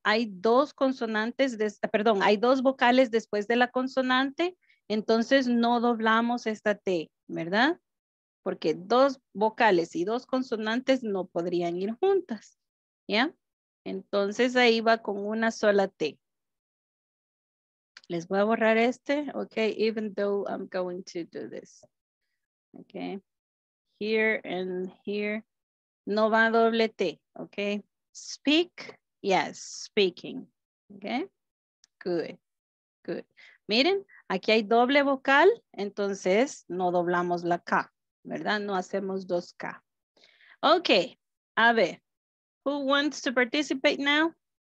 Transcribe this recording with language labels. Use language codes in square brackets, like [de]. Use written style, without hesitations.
[es] Hay dos consonantes, hay dos vocales después de la consonante. Entonces no doblamos esta T, ¿verdad? Porque dos vocales y dos consonantes no podrían ir juntas, ¿ya? Entonces ahí va con una sola T. Les voy a borrar este, [en] okay, even though I'm going to do this. Okay, here and here, [es] no va doble T, [en] okay? Speak, yes, speaking, okay? Good, good. [es] Miren, aquí hay doble vocal, entonces no doblamos la K, ¿verdad? No hacemos dos K. [en] Okay, [es] a ver, [en] who wants to participate now?